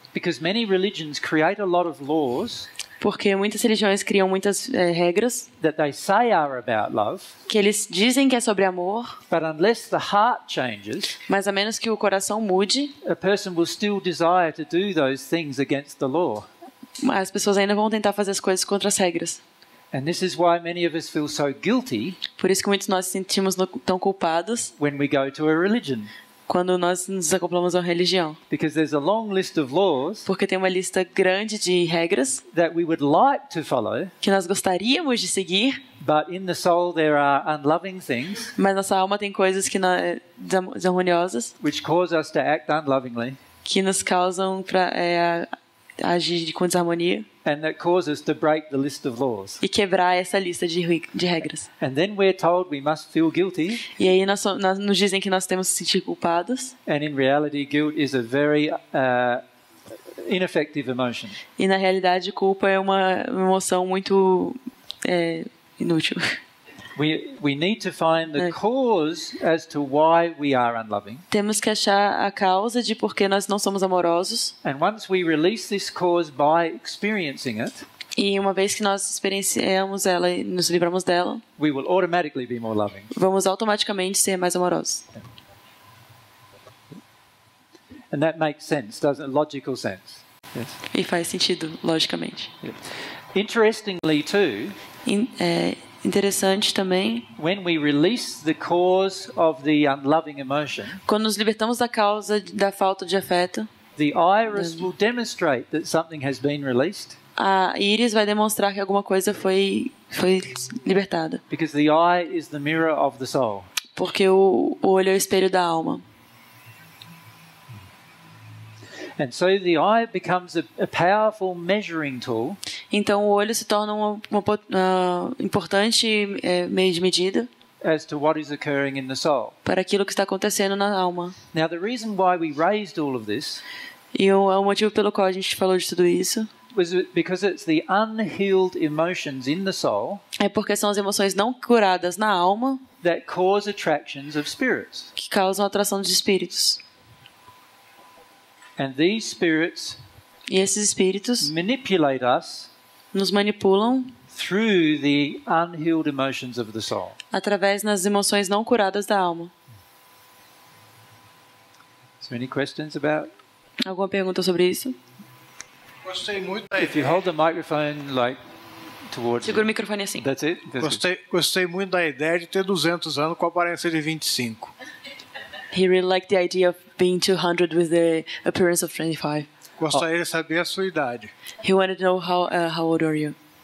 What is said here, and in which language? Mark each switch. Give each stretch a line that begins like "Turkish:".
English: Because many religions create a lot of laws.
Portuguese: Porque muitas religiões criam muitas regras
English: that they say are about love,
Portuguese: que eles dizem que é sobre amor,
English: but unless the heart changes,
Portuguese: mas a menos que o coração mude,
English: a person will still desire to do those things against the law.
Portuguese: As pessoas ainda vão tentar fazer as coisas contra as regras.
English: And this is why many of us feel so guilty,
Portuguese: por isso que muitos nós sentimos tão culpados
English: when we go to a religion.
Portuguese: Quando nós nos acoplamos a uma religião.
English: Because there's a long list of laws,
Portuguese: porque tem uma lista grande de regras
English: that we would like to follow,
Portuguese: que nós gostaríamos de seguir,
English: but in the soul there are unloving things,
Portuguese: mas nossa alma tem coisas que não desarmoniosas,
English: which cause us to act unlovingly,
Portuguese: que nos causam para agir com desarmonia,
English: and that causes to break the list of laws,
Portuguese: e quebrar essa lista de regras.
English: And then we're told we must feel guilty,
Portuguese: e aí nós nos dizem que nós temos que sentir culpados.
English: And in reality, guilt is a very ineffective emotion.
Portuguese: E na realidade, culpa é uma emoção muito inútil.
English: We need to find the cause as to why we are unloving.
Portuguese: Temos que achar a causa de por que nós não somos amorosos.
English: And once we release this cause by experiencing it,
Portuguese: e uma vez que nós experienciamos ela e nos livramos dela,
English: we will automatically be more loving.
Portuguese: Vamos automaticamente ser mais amorosos.
English: And that makes sense, doesn't it? Logical sense. Yes.
Portuguese: E faz sentido logicamente.
English: Yes. Interestingly too,
Portuguese: interessante também.
English: When we release the cause of the unloving emotion,
Portuguese: quando nos libertamos da causa da falta de afeto,
English: the iris will demonstrate that something has been released.
Portuguese: A íris vai demonstrar que alguma coisa foi libertada.
English: Because the eye is the mirror of the soul.
Portuguese: Porque o olho é o espelho da alma.
English: And so the eye becomes a powerful measuring tool.
Portuguese: Então o olho se torna uma importante meio de medida
English: as to what is occurring in the soul.
Portuguese: Para aquilo que está acontecendo na alma.
English: Now the reason why we raised all of this,
Portuguese: e o motivo pelo qual a gente falou de tudo isso,
English: was because it's the unhealed emotions in the soul,
Portuguese: é porque são as emoções não curadas na alma
English: that cause attractions of spirits,
Portuguese: que causam atração de espíritos.
English: And these spirits,
Portuguese: e esses espíritos,
English: manipulate us,
Portuguese: nos manipulam
English: through the unhealed emotions of the soul,
Portuguese: através das emoções não curadas da alma.
English: So any questions about?
Portuguese: Alguma pergunta sobre isso? Gostei muito.
English: If you hold the microphone like towards,
Portuguese: segura o microfone assim.
English: That's it. That's
Portuguese: gostei muito da ideia de ter 200 anos com a aparência de 25.
English: He really liked the idea of being 200 with the appearance of 25.
Portuguese: Gostaria de saber a sua idade.
English: He wanted to know how old are you?